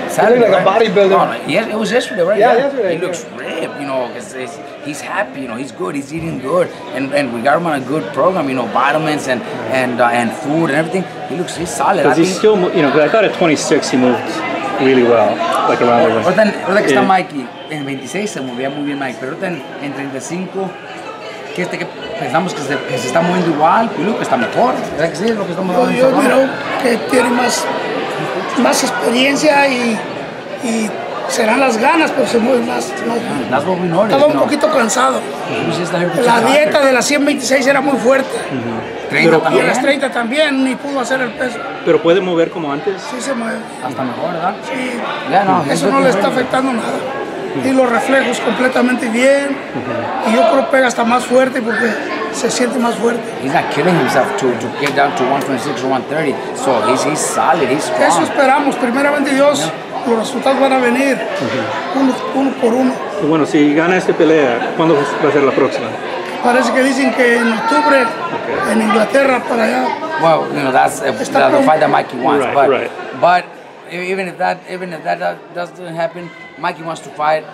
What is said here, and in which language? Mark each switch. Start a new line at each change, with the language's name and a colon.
English: He looked like a bodybuilder. Oh, yeah, it was yesterday, right? Yeah, yesterday. He looks ripped, because he's happy, he's good, he's eating good, and we got him on a good program, vitamins and food and everything. He's solid. Because he's still, because I thought at 26 he moved really well, like around the room.
Spanish: Ahorita que está Mikey, en 26 se movía muy bien Mike, pero en 35. Que pensamos que se está moviendo igual, creo que está mejor, ¿verdad que sí? Lo que estamos yo creo que tiene más experiencia y serán las ganas, pero se mueve más. Las dos menores. Estaba un poquito cansado. La dieta de las 126 era muy fuerte. Uh-huh. Y las 30 también, ni pudo hacer el peso. ¿Pero puede mover como antes? Sí, se mueve. Hasta mejor, ¿verdad? Sí.
English: Yeah, no,
Spanish: eso no le está afectando nada. Y los reflejos completamente bien. Uh-huh. Y yo creo que pega hasta más fuerte porque se siente más fuerte.
English: He's not killing himself to get down to 126 or 130. So he's solid, he's strong.
Spanish: Eso esperamos, primeramente Dios. Yeah. los resultados van a venir uno por uno. Y bueno, si gana esta pelea, ¿cuándo va a ser la próxima? Parece que dicen que en octubre, en Inglaterra, para allá.
English: Well, you know, that's the fight that Mikey wants. But even if that doesn't happen, Mikey wants to fight.